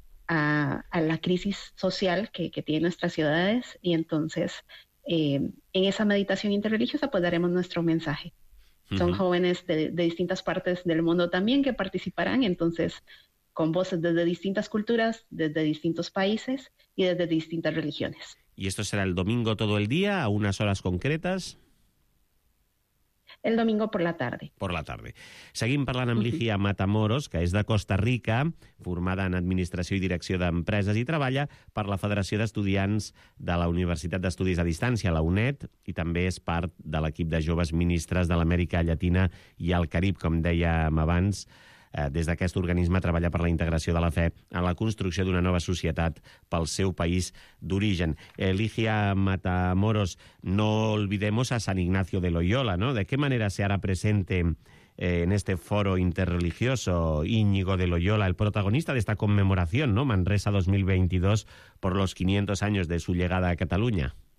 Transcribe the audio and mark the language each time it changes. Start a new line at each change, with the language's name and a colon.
Spanish: a la crisis social que tiene nuestras ciudades, y entonces en esa meditación interreligiosa pues daremos nuestro mensaje. Son jóvenes de distintas partes del mundo también que participarán, entonces con voces desde distintas culturas, desde distintos países y desde distintas religiones. ¿Y esto será el domingo todo el día, a unas horas concretas? El domingo por la tarde. Por la tarde.
Catalan: Seguim parlant amb Ligia Matamoros, que és de Costa Rica, formada en Administració i Direcció d'Empreses, i treballa per la Federació d'Estudiants de la Universitat d'Estudis a Distància, la UNED, i també és part de l'equip de joves ministres de l'Amèrica Llatina i el Carib, com dèiem abans. Des d'aquest organisme treballa per la integració de la fe en la construcció d'una nova societat pel seu país d'origen.
Spanish: Ligia Matamoros, no olvidemos a San Ignacio de Loyola, ¿no? ¿De qué manera se hará presente en este foro interreligioso Íñigo de Loyola, el protagonista de esta conmemoración, ¿no?, Manresa 2022, por los 500 años de su llegada a Cataluña?